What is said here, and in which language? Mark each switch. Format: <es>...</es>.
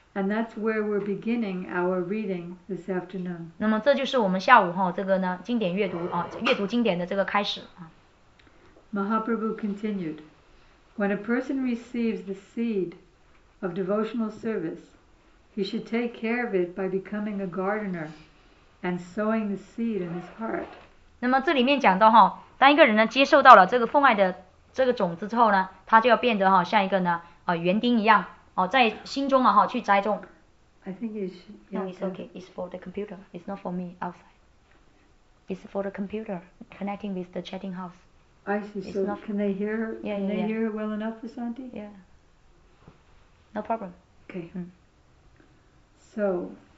<en>And that's where we're beginning our reading this afternoon.</en> <zh>那么这就是我们下午这个呢经典阅读阅读经典的这个开始。</zh> <en>Mahaprabhu continued, when a person receives the seed of devotional service, he should take care of it by becoming a gardener and sowing the seed in his heart.</en> <zh>那么这里面讲到当一个人接受到了这个奉爱的这个种子之后呢，他就要变得像一个园丁一样，在心中去栽种。</zh> <en>I think it's no. It's okay. It's for the computer. It's not for me outside. It's for the computer connecting with the chatting house. I see. It's so can they hear? Can they hear well enough, Vasanti? Yeah. No problem. Okay. So.</en>